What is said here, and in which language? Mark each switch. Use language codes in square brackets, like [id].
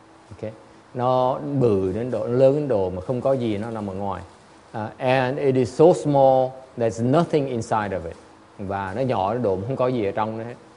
[vi] Okay, nó bự đến độ, nó lớn đến độ mà không có gì nó nằm ở ngoài. [en] And it is so small there's nothing inside of it. [vi] Và nó nhỏ đến độ không có gì ở trong nó hết.